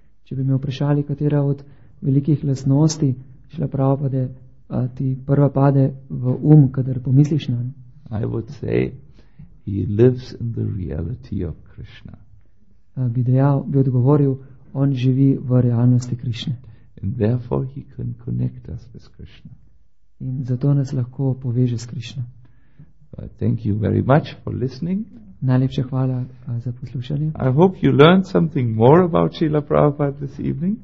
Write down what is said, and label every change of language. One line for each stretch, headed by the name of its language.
Slovenian: če bi me vprašali, katera od velikih lastnosti Srila Prabhupada ti prva pade v um, kadar pomisliš na nj,
English: I would say he lives in the reality of Krishna.
Slovenian: Bi dejal, bi odgovoril, on živi v realnosti Krishne.
English: And therefore he can connect us with Krishna.
Slovenian: In zato nas lahko poveže s Krishna.
English: Thank you very much for listening.
Slovenian: Najlepša hvala za poslušanje.
English: I hope you learned something more about Srila Prabhupada this evening.